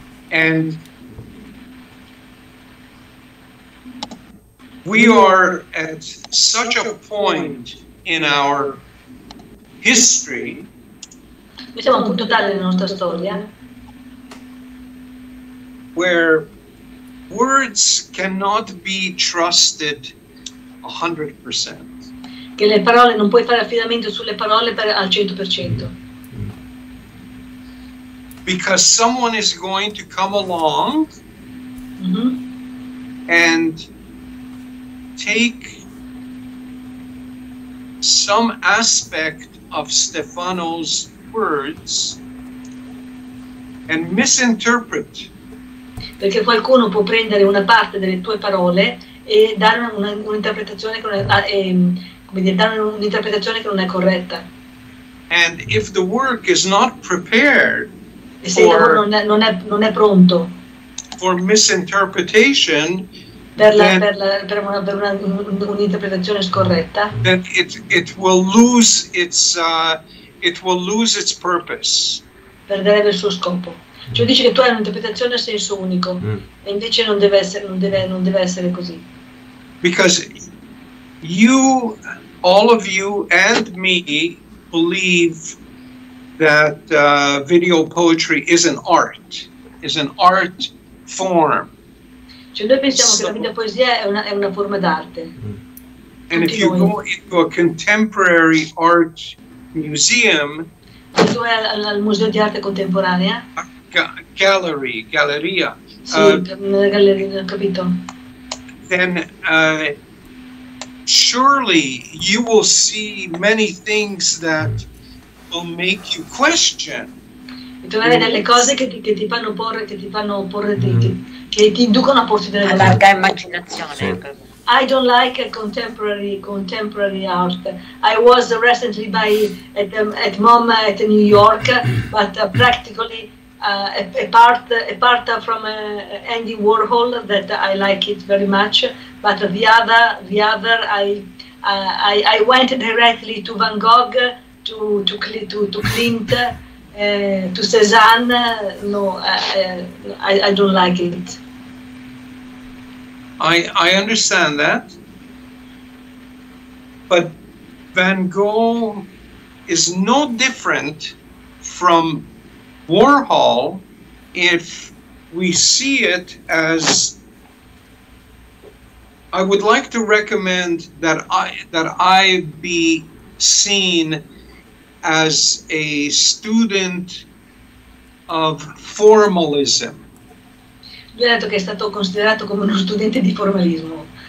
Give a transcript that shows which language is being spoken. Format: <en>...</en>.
<en>And we are at such a point in our history.</en> <it>Noi siamo a un punto tale nella nostra storia</it> <en>where words cannot be trusted 100%.</en> <it>Che le parole non puoi fare affidamento sulle parole al 100%.</it> <en>Because someone is going to come along and take some aspect of Stefano's words and misinterpret.</en> <it>Perché qualcuno può prendere una parte delle tue parole e dare un'interpretazione che non è, come dire, dare un'interpretazione che non è corretta.</it> <en>And if the work is not prepared,</en> <it>e se il lavoro non è pronto</it> <en>for misinterpretation,</en> <it>per un'interpretazione scorretta,</it> <en>then it will lose its purpose.</en> <it>Perderebbe il suo scopo. Cioè dice che tu hai un'interpretazione a senso unico, e invece non deve essere così.</it> <en>Because you, all of you and me, believe that video poetry is an art, form.</en> <it>Cioè noi pensiamo che la videopoesia è una forma d'arte.</it> <en>And if you go into a contemporary art museum,</en> <it>tu vai al museo di arte contemporanea. Galleria. Sì, capito.</it> <en>Then surely you will see many things that will make you question.</en> <it>E troverai delle cose che ti inducono a porsi delle domande. Allarga immaginazione.</it> <en>Sì. I don't like a contemporary art. I was recently at MoMA at New York, but practically. A part from Andy Warhol that I like it very much, but the other I went directly to Van Gogh, to Clint, to Cezanne. No, I don't like it. I understand that, but Van Gogh is no different from Warhol, if we see it as, I would like to recommend that I be seen as a student of formalism.</en> <it>Lui ha detto che è stato considerato come uno studente di formalismo.</it>